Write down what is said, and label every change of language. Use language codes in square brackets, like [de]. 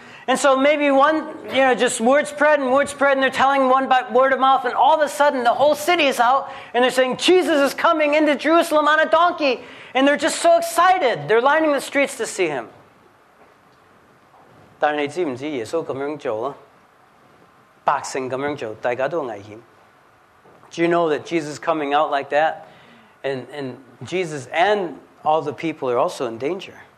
[en] And so maybe one, you know, just word spread, and they're telling one by word of mouth, and all of a sudden the whole city is out, and they're saying Jesus is coming into Jerusalem on a donkey, and they're just so excited, they're lining the streets to see him. [yue] 但你知唔知耶稣咁样做啊？百姓咁样做，大家都危险。 [en] Do you know that Jesus coming out like that, and Jesus and all the people are also in danger?